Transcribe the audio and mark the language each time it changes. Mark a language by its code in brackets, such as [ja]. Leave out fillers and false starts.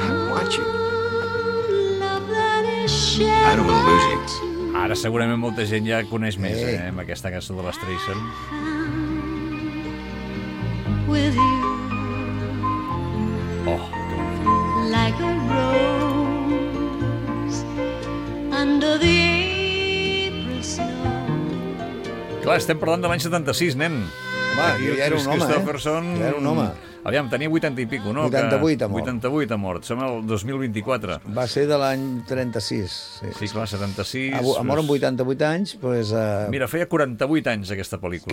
[en] want you. I don't want to lose you. [ca] Ara segurament molta gent ja coneix més, eh, amb aquesta cançó de les Streisand. [en] Oh, like a rose under the April snow. [ca] Clar, estem parlant de l'any 76, nen. Home, jo ja era un home. Aviam, tenia 80 i pico, no? 88 ha mort. 88 ha mort. Som el 2024. Va ser de l'any 36. Sí, clar, 76... Ha mort amb 88 anys, doncs... Pues, Mira, feia 48 anys, aquesta pel·lícula.